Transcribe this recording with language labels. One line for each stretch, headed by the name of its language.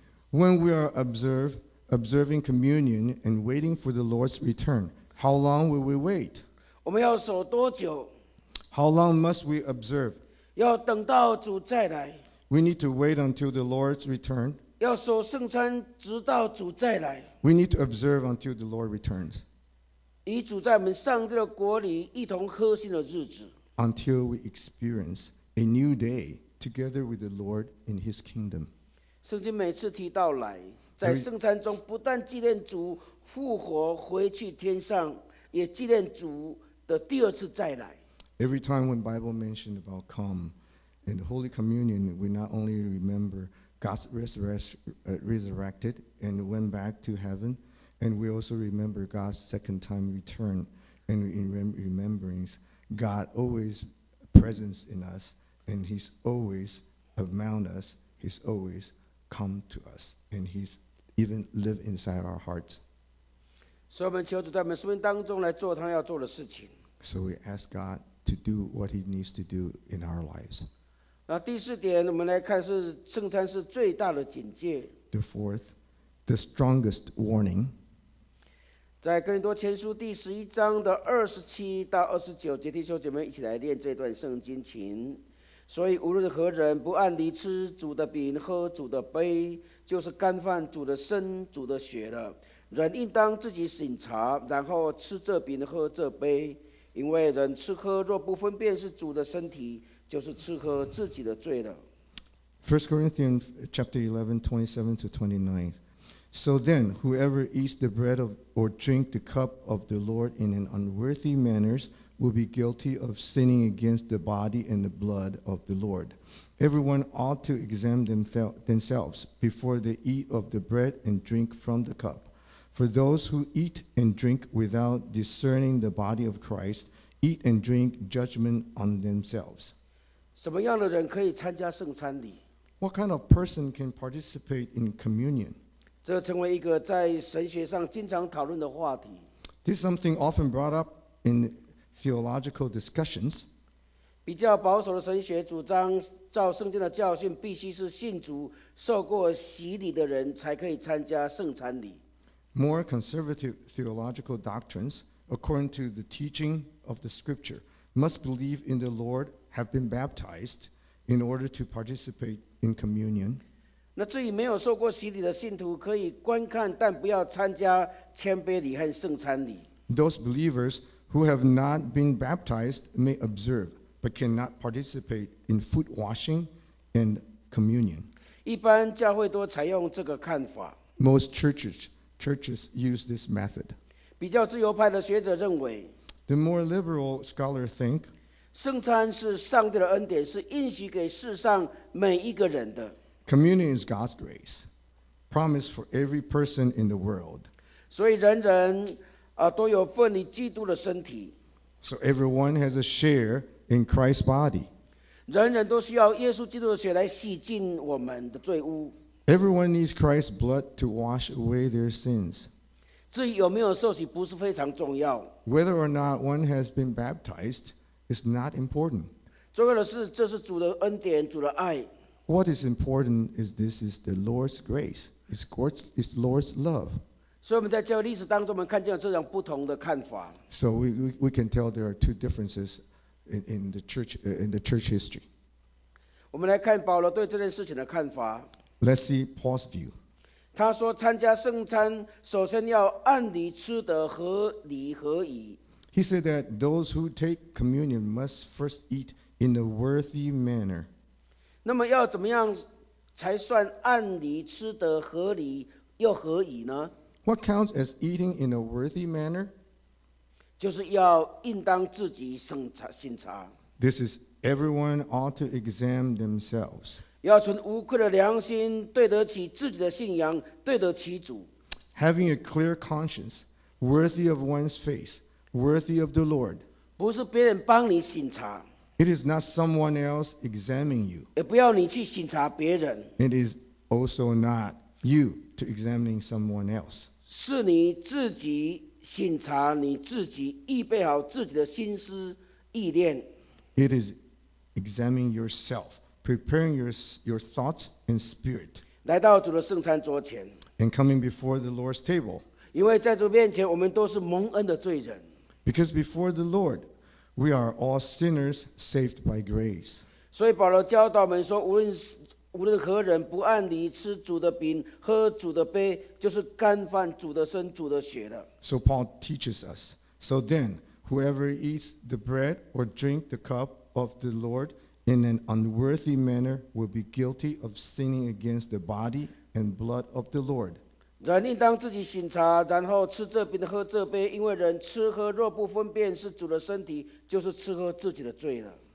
English: When we are observing communion and waiting for the Lord's return, how long will we wait?
Chinese: 我们要守多久?
English: How long must we observe?
Chinese: 要等到主再来。
English: We need to wait until the Lord's return.
Chinese: 要守圣餐直到主再来。
English: We need to observe until the Lord returns.
Chinese: 与主在我们上帝的国里一同喝馨的日子。
English: Until we experience a new day together with the Lord in His kingdom.
Chinese: 圣经每次提到来，在圣餐中不但纪念主复活回去天上，也纪念主的第二次再来。
English: Every time when Bible mentioned about come in the Holy Communion, we not only remember God's resurrected and went back to heaven, and we also remember God's second time return, and in remembrance, God always presence in us, and he's always around us, he's always come to us, and he's even live inside our hearts. So we ask God to do what he needs to do in our lives.
Chinese: 第四点我们来看是圣餐是最大的警戒。
English: The fourth, the strongest warning.
Chinese: 在哥林多前书第十一章的27-29节，弟兄姐妹一起来念这段圣经情。所以无论何人不按理吃主的饼喝主的杯，就是干犯主的身主的血了。人应当自己省察，然后吃这饼喝这杯，因为人吃喝若不分辨是主的身体，就是吃喝自己的罪了。
English: 1 Corinthians chapter 11:27-29. So then, whoever eats the bread of, or drink the cup of the Lord in an unworthy manner will be guilty of sinning against the body and the blood of the Lord. Everyone ought to examine themselves before they eat of the bread and drink from the cup. For those who eat and drink without discerning the body of Christ eat and drink judgment on themselves.
Chinese: 什么样的人可以参加圣餐礼？
English: What kind of person can participate in communion?
Chinese: 这成为一个在神学上经常讨论的话题。
English: This is something often brought up in theological discussions.
Chinese: 比较保守的神学主张照圣经的教训必须是信主受过洗礼的人才可以参加圣餐礼。
English: More conservative theological doctrines, according to the teaching of the scripture, must believe in the Lord, have been baptized in order to participate in communion.
Chinese: 那至于没有受过洗礼的信徒可以观看但不要参加谦卑礼和圣餐礼。
English: Those believers who have not been baptized may observe, but cannot participate in foot washing and communion.
Chinese: 一般教会都采用这个看法。
English: Most churches use this method.
Chinese: 比较自由派的学者认为，
English: The more liberal scholars think,
Chinese: 圣餐是上帝的恩典，是应许给世上每一个人的。
English: Communion is God's grace, promised for every person in the world.
Chinese: 所以人人都有份于基督的身体。
English: So everyone has a share in Christ's body.
Chinese: 人人都需要耶稣基督的血来洗净我们的罪污。
English: Everyone needs Christ's blood to wash away their sins.
Chinese: 至于有没有受洗不是非常重要。
English: Whether or not one has been baptized is not important.
Chinese: 重要的是这是主的恩典，主的爱。
English: What is important is this is the Lord's grace. It's Lord's love.
Chinese: 所以我们在教会历史当中我们看见了这样不同的看法。
English: So we can tell there are two differences in the church history.
Chinese: 我们来看保罗对这件事情的看法。
English: Let's see Paul's view.
Chinese: 他说参加圣餐首先要按理吃得合理合宜。
English: He said that those who take communion must first eat in a worthy manner.
Chinese: 那么要怎么样才算按理吃得合理又合宜呢？
English: What counts as eating in a worthy manner?
Chinese: 就是要应当自己省察。
English: This is everyone ought to examine themselves.
Chinese: 要存无愧的良心，对得起自己的信仰，对得起主。
English: Having a clear conscience, worthy of one's faith, worthy of the Lord.
Chinese: 不是别人帮你省察。
English: It is not someone else examining you.
Chinese: 也不要你去省察别人。
English: It is also not you to examining someone else.
Chinese: 是你自己省察你自己，预备好自己的心思意念。
English: It is examining yourself. Preparing your thoughts and spirit.
Chinese: 来到主的圣餐桌前。
English: And coming before the Lord's table.
Chinese: 因为在主面前，我们都是蒙恩的罪人。
English: Because before the Lord, we are all sinners saved by grace.
Chinese: 所以保罗教导我们说，无论何人不按理吃主的饼，喝主的杯，就是干犯主的身，主的血了。
English: So Paul teaches us. So then, whoever eats the bread or drink the cup of the Lord. In an unworthy manner, will be guilty of sinning against the body and blood of the Lord.
Chinese: 人应当自己省察，然后吃这饼喝这杯，因为人吃喝若不分辨是主的身体，就是吃喝自己的罪了。